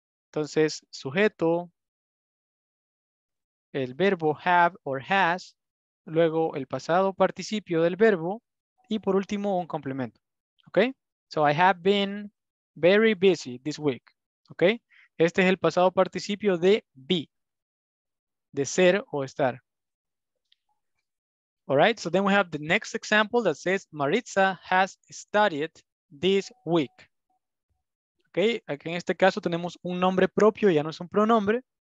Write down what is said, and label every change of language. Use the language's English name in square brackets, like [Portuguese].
[Spanish] Entonces, sujeto, el verbo have or has, luego el pasado participio del verbo y por último un complemento. ¿Ok? [English] So I have been very busy this week. ¿Ok? [Spanish] Este es el pasado participio de be, de ser o estar. [English] All right, so then we have the next example that says Maritza has studied this week. Okay. [Spanish] Aquí en este caso tenemos un nombre propio, ya no es un pronombre.